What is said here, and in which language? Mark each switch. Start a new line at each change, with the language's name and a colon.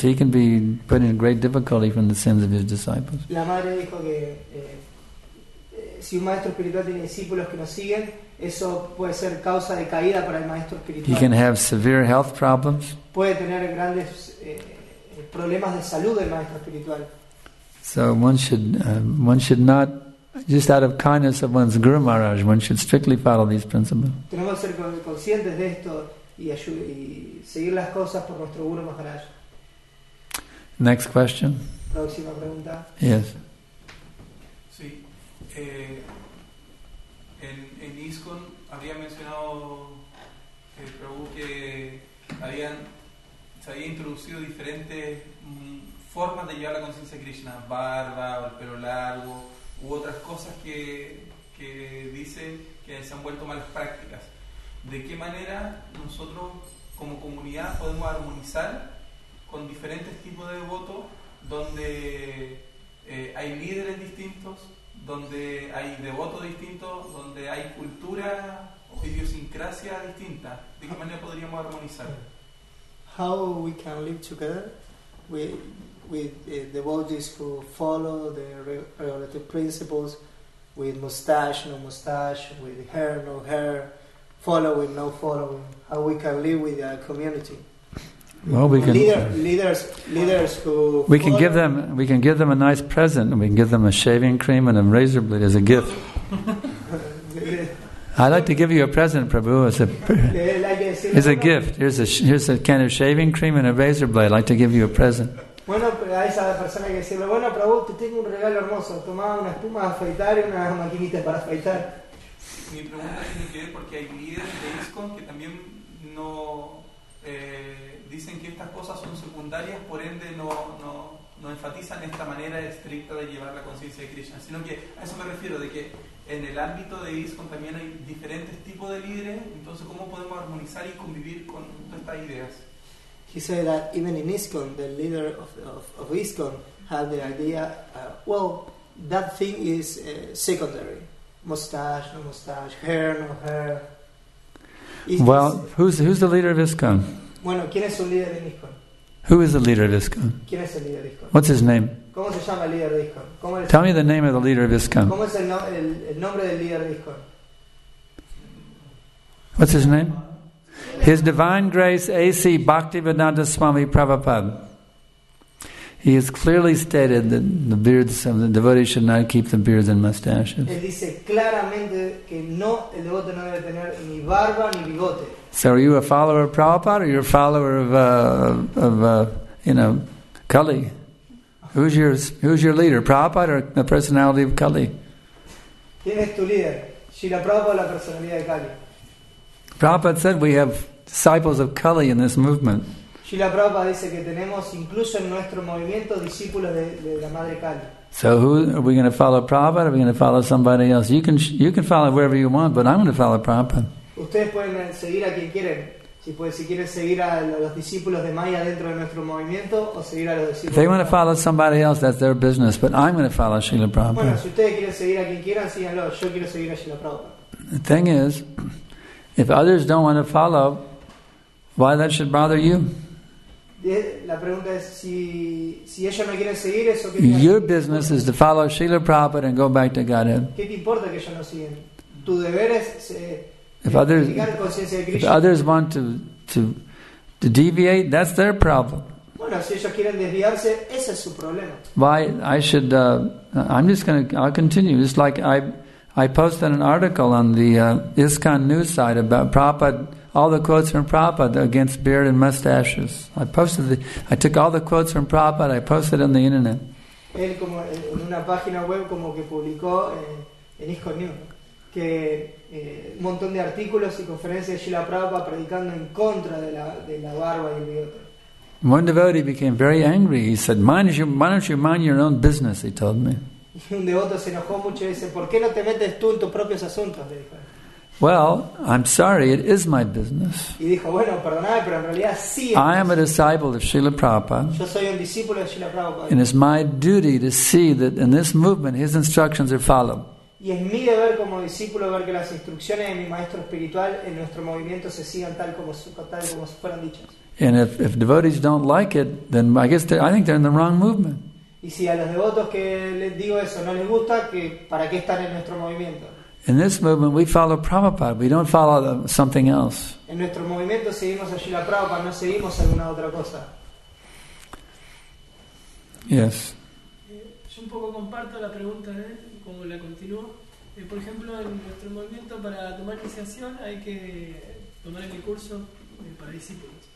English: He can be put in great difficulty from the sins of his disciples.
Spanish: La madre dijo que si un maestro espiritual tiene discípulos que nos siguen, eso puede ser causa de caída para el maestro espiritual.
English: He can have severe health problems.
Spanish: Puede tener grandes problemas de salud el maestro espiritual.
English: So one should not, just out of kindness of one's Guru Maharaj, one should strictly follow these principles.
Spanish: Tenemos que ser conscientes de esto y seguir las cosas por nuestro Guru Maharaj.
English: Next question.
Spanish: Próxima pregunta.
English: Yes.
Spanish: Sí. En ISKCON había mencionado el Prabhu que se había introducido diferentes formas de llevar la conciencia de Krishna, barba o el pelo largo, u otras cosas que dice que se han vuelto malas prácticas. ¿De qué manera nosotros como comunidad podemos armonizar con diferentes tipos de devotos donde hay líderes distintos, donde hay devotos distintos, donde hay cultura o idiosincrasia distinta? ¿De qué manera podríamos armonizar?
English: How we can live together with devotees who follow the relative principles, with mustache, no mustache, with hair, no hair, following, no following, how we can live with our community. Well, we can... Leaders who... We can give them a nice present, and we can give them a shaving cream and a razor blade as a gift. I'd like to give you a present, Prabhu, as a gift. Here's a can of shaving cream and a razor blade. I'd like to give you a present.
Spanish: Bueno, a esa persona hay que decirle, bueno, Prabhu, te tengo un regalo hermoso. Tomá una espuma de afeitar y una maquinita para afeitar. Mi pregunta tiene que ver porque hay líderes de ISKCON que también no dicen que estas cosas son secundarias, por ende no enfatizan esta manera estricta de llevar la conciencia de Krishna. Sino que a eso me refiero, de que en el ámbito de ISKCON también hay diferentes tipos de líderes. Entonces, ¿cómo podemos armonizar y convivir con todas estas ideas?
English: He said that even in ISKCON, the leader of ISKCON had the idea, that thing is secondary. Mustache, no mustache, hair, no hair. Who's the leader of ISKCON?
Spanish: Bueno, ¿quién es el líder de ISKCON?
English: Who is the leader of ISKCON?
Spanish: ¿Quién es el líder de ISKCON?
English: What's his name?
Spanish: ¿Cómo se llama el líder de ISKCON?
English: Tell me the name of the leader of ISKCON.
Spanish: ¿Cómo es el nombre del líder de ISKCON?
English: What's his name? His Divine Grace A.C. Bhaktivedanta Swami Prabhupada. He has clearly stated that the beards of the devotees should not keep the beards and mustaches.
Spanish: Él dice claramente que no, el devoto no debe tener ni barba ni bigote.
English: So are you a follower of Prabhupada or you're a follower of Kali? Who's your leader, Prabhupada or the personality of Kali?
Spanish: ¿Quién es tu líder? ¿Shila Prabhupada o la personalidad de Kali?
English: Prabhupada said we have disciples of Kali in this movement.
Spanish: Srila Prabhupada dice que tenemos incluso en nuestro movimiento discípulos de la madre Kali.
English: So who are we going to follow, Prabhupada, or are we going to follow somebody else? You can follow wherever you want, but I'm going to follow Prabhupada.
Spanish: Ustedes pueden seguir a quien quieren, Si puede, si quiere seguir a los discípulos de Maya dentro de nuestro movimiento o seguir a los discípulos.
English: They want to follow somebody else, that's their business, but I'm going to follow Srila Prabhupada.
Spanish: Bueno, si ustedes quieren seguir a quien quieran, síganlo, yo quiero seguir a Srila Prabhupada.
English: The thing is, if others don't want to follow, why that should bother you?
Spanish: La pregunta es si ellos no quieren seguir eso.
English: Your business is to follow Srila Prabhupada and go back to Godhead.
Spanish: ¿Qué te importa que ellos no sigan? Tu deber es
English: if others want to deviate, that's their problem.
Spanish: Bueno, si ellos quieren desviarse, ese es su problema.
English: Why I should? I'll continue. It's like I posted an article on the ISKCON news site about Prabhupada, all the quotes from Prabhupada against beard and mustaches. I took all the quotes from Prabhupada, I posted it on the internet.
Spanish: Él como en una página web como que publicó en ISKCON News que un montón de artículos y conferencias de Srila Prabhupada predicando en contra de la barba y el bigote.
English: One devotee became very angry. He said, why don't you mind your own business, he told me.
Spanish: Un devoto se enojó mucho y dice, ¿por qué no te metes tú en tus propios asuntos? Le dijo.
English: Well, I'm sorry, it is my business.
Spanish: Y dijo, bueno, perdoname, pero en realidad sí.
English: I am a disciple of Srila Prabhupada.
Spanish: Yo soy un discípulo de Srila Prabhupada.
English: And it's my duty to see that in this movement his instructions are followed.
Spanish: Y es mi deber como discípulo ver que las instrucciones de mi maestro espiritual en nuestro movimiento se sigan tal como fueron dichas.
English: And if devotees don't like it, then I guess I think they're in the wrong movement.
Spanish: Y si a los devotos que les digo eso no les gusta, que ¿para qué están en nuestro movimiento?
English: In this movement, we follow Prabhupada. We don't follow something else.
Spanish: En nuestro movimiento seguimos a Srila Prabhupada, no seguimos alguna otra cosa.
English: Yes.
Spanish: Yo un poco comparto la pregunta, como la continúo. Por ejemplo, en nuestro movimiento para tomar iniciación hay que tomar el curso para discípulos.